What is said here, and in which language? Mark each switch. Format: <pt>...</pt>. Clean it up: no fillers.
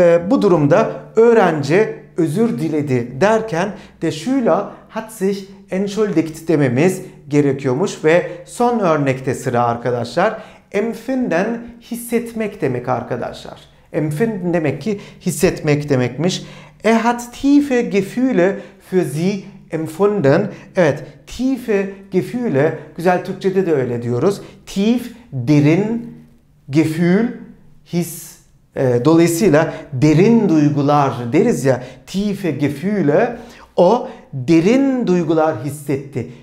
<tr>Bu durumda öğrenci özür diledi derken</tr> <de>der Schüler hat sich entschuldigt</de> <tr>dememiz gerekiyormuş. Ve son örnekte sıra arkadaşlar. Empfinden hissetmek demek arkadaşlar. Empfinden demek ki hissetmek demekmiş.</tr> <de>Er hat tiefe Gefühle für sie empfunden.</de> <tr>Evet, tiefe Gefühle, güzel Türkçe'de de öyle diyoruz. Tief, derin, Gefühl, his. Dolayısıyla derin duygular deriz ya, tiefe Gefühle. O derin duygular hissetti.</tr>